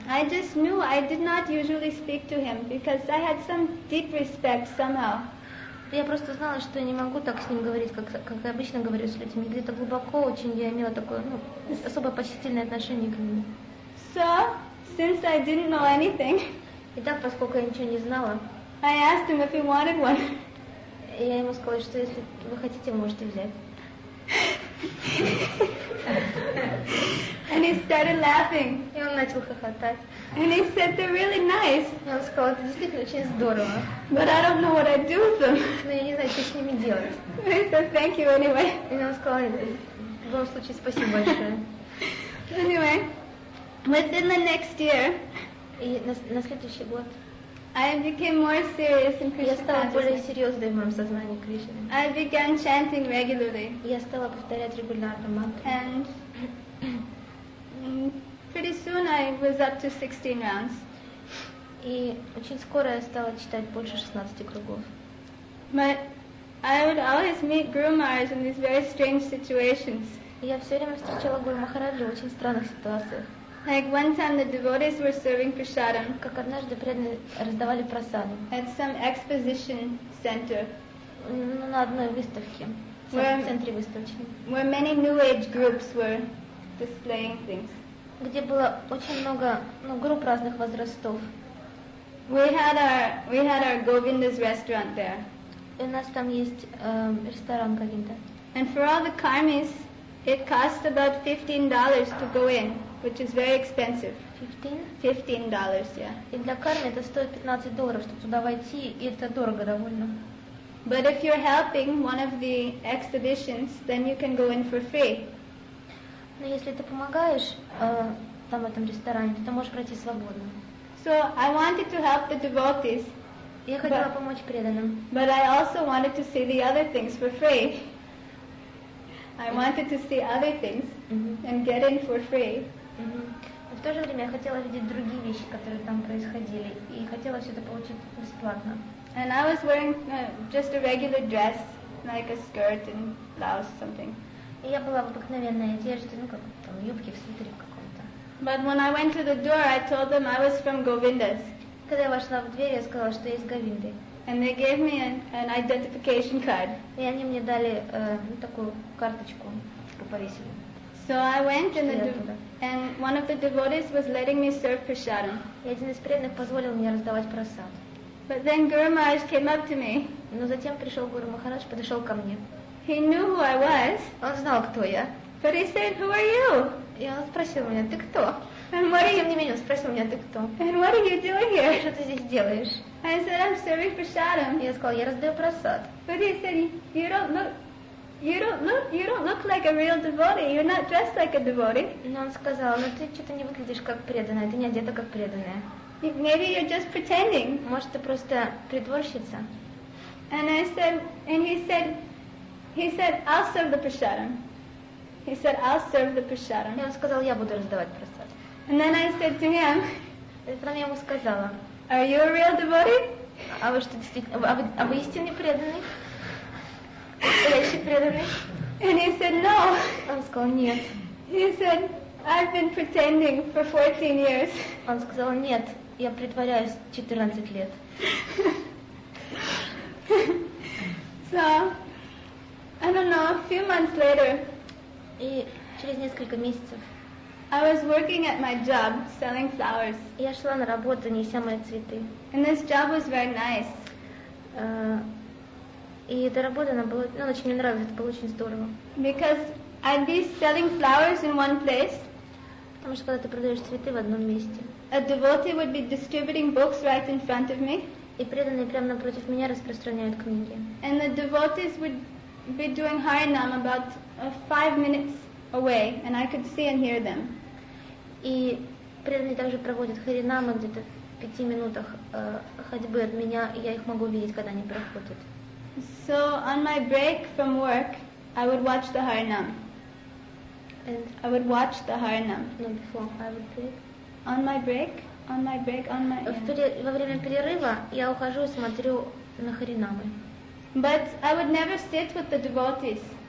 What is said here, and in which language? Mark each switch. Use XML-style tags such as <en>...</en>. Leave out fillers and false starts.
<en>I just knew I did not usually speak to him because I had some deep respect somehow.</en> <ru>Я просто знала, что я не могу так с ним говорить, как я обычно говорю с людьми. Где-то глубоко очень я имела такое, особое почтительное отношение к нему.</ru> <en>So, since I didn't know anything.</en> <ru>И так, поскольку я ничего не знала.</ru> <en>I asked him if he wanted one.</en> <ru>Я ему сказала, что если вы хотите, можете взять.</ru> <en>And he started laughing.</en> <ru>И он начал хохотать.</ru> <en>And he said they're really nice.</en> <ru>И он сказал, это действительно очень здорово.</ru> <en>But I don't know what I'd do with them.</en> <ru>Но я не знаю, что с ними делать.</ru> <en>He said thank you anyway.</en> <ru>И он сказал, в любом случае, спасибо большое.</ru> <en>Anyway, within the next year.</en> <ru>И на следующий год.</ru> <en>I became more serious in Krishna.</en> <ru>Я стала более серьезной в моем сознании Кришны.</ru> <en>I began chanting regularly.</en> <ru>Я стала повторять регулярно мантры.</ru> <en>And pretty soon I was up to 16 rounds.</en> <ru>И очень скоро я стала читать больше 16 кругов.</ru> <en>But I would always meet Guru Maharaj in these very strange situations.</en> <ru>Я все время встречала Гуру Махараджа в очень странных ситуациях.</ru> <en>Like one time the devotees were serving prasadam.</en> <ru>Как однажды преданные раздавали прасаду.</ru> <en>At some exposition center.</en> <ru>На одной выставке.</ru> <en>Where,</en> <ru>в центре выставки.</ru> <en>Where many new age groups were displaying things.</en> <ru>Где было очень много групп разных возрастов.</ru> <en>We had our Govinda's restaurant there.</en> <ru>И у нас там есть ресторан Говинда.</ru> <en>And for all the karmis, it cost about $15 to go in. Which is very expensive. $15, yeah.</en> <ru>И для кармы это стоит $15, чтобы туда войти, и это дорого довольно.</ru> <en>But if you're helping one of the exhibitions, then you can go in for free.</en> <ru>Но если ты помогаешь там в этом ресторане, то ты можешь пройти свободно.</ru> <en>So I wanted to help the devotees.</en> <ru>Я хотела помочь преданным.</ru> <en>But I also wanted to see the other things for free. I wanted to see other things and get in for free.</en> <ru>Но в то же время я хотела видеть другие вещи, которые там происходили, и хотела все это получить бесплатно.</ru> <en>And I was wearing just a regular dress, like a skirt and blouse, something.</en> <ru>И я была в обыкновенной одежде, как там юбки в свитере каком-то.</ru> <en>But when I went to the door, I told them I was from Govinda's.</en> <ru>Когда я вошла в дверь, я сказала, что я из Говинды.</ru> <en>And they gave me an identification card.</en> <ru>И они мне дали такую карточку, чтобы повесили.</ru> <en>So I went in and one of the devotees was letting me serve prasadam.</en> <ru>И один из преданных позволил мне раздавать прасад.</ru> <en>But then Guru Maharaj came up to me.</en> <ru>Но затем пришел Гуру Махарадж, подошел ко мне.</ru> <en>He knew who I was.</en> <ru>Он знал, кто я.</ru> <en>But he said, "Who are you?"</en> <ru>И он спросил меня, ты кто?</ru> <en>And what are you?</en> <ru>Тем не менее, он спросил меня, ты кто?</ru> <en>And what are you doing here?</en> <ru>Что ты здесь делаешь?</ru> <en>I said, "I'm serving prasadam."</en> <ru>Я сказал, я раздаю прасад.</ru> <en>But he said, "You don't look." You don't look like a real devotee. You're not dressed like a devotee.</en> <ru>Но он сказал, но ты что-то не выглядишь как преданная. Ты не одета как преданная.</ru> <en>Maybe you're just pretending.</en> <ru>Может, ты просто притворщица.</ru> <en>And I said, and he said, I'll serve the prasadam. He said, I'll serve the prasadam.</en> <ru>И он сказал, я буду раздавать прасад.</ru> <en>And then I said to him.</en> <ru>И потом я ему сказала.</ru> <en>Are you a real devotee?</en> <ru>А вы что, действительно, а вы истинный преданный? Настоящий преданный.</ru> <en>And he said no.</en> <ru>Он сказал нет.</ru> <en>He said I've been pretending for 14 years.</en> <ru>Он сказал нет, я притворяюсь 14 лет.</ru> <en>So I don't know, a few months later.</en> <ru>И через несколько месяцев.</ru> <en>I was working at my job, selling flowers.</en> <ru>Я шла на работу, неся мои цветы.</ru> <en>And this job was very nice.</en> <ru>И эта работа, она была, ну, очень мне нравилась, это было очень здорово.</ru> <en>Because I'd be selling flowers in one place.</en> <ru>Потому что когда ты продаешь цветы в одном месте.</ru> <en>A devotee would be distributing books right in front of me.</en> <ru>И преданные прямо напротив меня распространяют книги.</ru> <en>And the devotees would be doing harinam about 5 minutes away, and I could see and hear them.</en> <ru>И преданные также проводят харинамы где-то в 5 минутах ходьбы от меня, и я их могу видеть, когда они проходят.</ru> <en>So on my break from work, I would watch the harinam. And I would watch the harinam. No, before I would break. On my break.</en> <ru>Во время перерыва я ухожу и смотрю на харинамы.</ru> <en>But I would never sit with the devotees.</en>